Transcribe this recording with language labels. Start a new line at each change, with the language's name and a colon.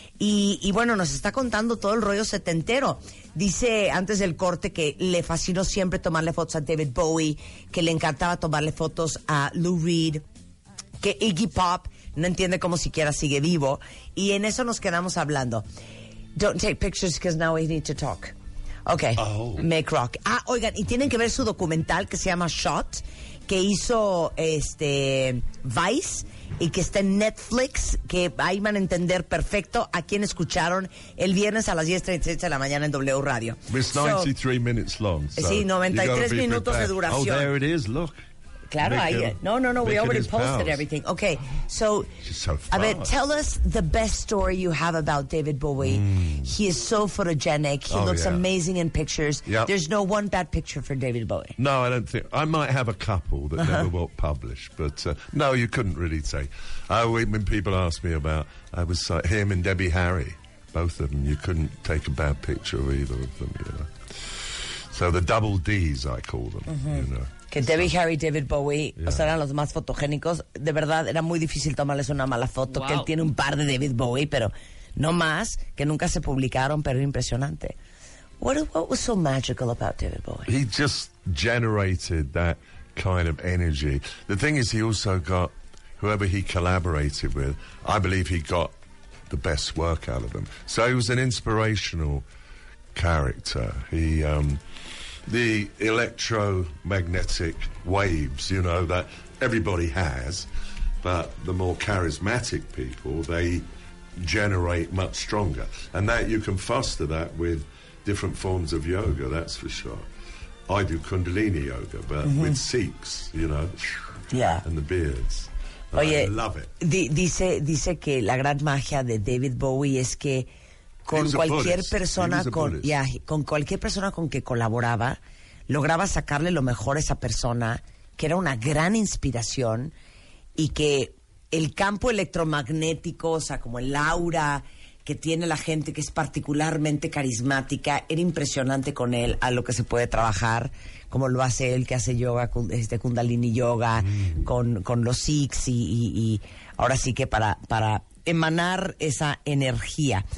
Spanish: Y bueno, nos está contando todo el rollo setentero. Dice antes del corte que le fascinó siempre tomarle fotos a David Bowie, que le encantaba tomarle fotos a Lou Reed, que Iggy Pop no entiende cómo siquiera sigue vivo. Y en eso nos quedamos hablando.
English: Don't take pictures because now we need to talk. Okay. Oh. Mick Rock.
Spanish: Ah, oigan, y tienen que ver su documental que se llama Shot, que hizo Vice y que está en Netflix, que ahí van a entender perfecto a quien escucharon el viernes a las 10:36 de la mañana en W Radio.
English: It's 93 minutes long. So
Spanish: sí, 93 minutos de duración.
English: Oh, there it is, look.
Spanish: Claro, no,
English: we already posted house. Everything. Okay, so, Abed, tell us the best story you have about David Bowie. Mm. He is so photogenic. He looks amazing in pictures. Yep. There's no one bad picture for David Bowie. No, I don't think. I might have a couple that never will publish, but no, you couldn't really say. When people ask me about, I was him and Debbie Harry, both of them, you couldn't take a bad picture of either of them, you know. So the double Ds, I call them, you know.
Spanish: Que Debbie Harry, David Bowie, o sea, eran los más fotogénicos. De verdad, era muy difícil tomarles una mala foto.
English: Wow.
Spanish: Que él tiene un par de David Bowie, pero no más, que nunca se publicaron, pero era impresionante.
English: What was so magical about David Bowie? He just generated that kind of energy. The thing is, he also got, whoever he collaborated with, I believe he got the best work out of them. So he was an inspirational character. The electromagnetic waves, you know, that everybody has, but the more charismatic people, they generate much stronger. And that you can foster that with different forms of yoga, that's for sure. I do Kundalini yoga, but with Sikhs, you know. Yeah. And the beards.
Spanish: Oye,
English: I love it.
Spanish: Dice que la gran magia de David Bowie es que con cualquier persona con cualquier persona con que colaboraba, lograba sacarle lo mejor a esa persona, que era una gran inspiración, y que el campo electromagnético, o sea, como el aura que tiene la gente que es particularmente carismática, era impresionante con él, a lo que se puede trabajar, como lo hace él, que hace yoga, Kundalini yoga, con los Sikhs, y ahora sí que para emanar esa energía.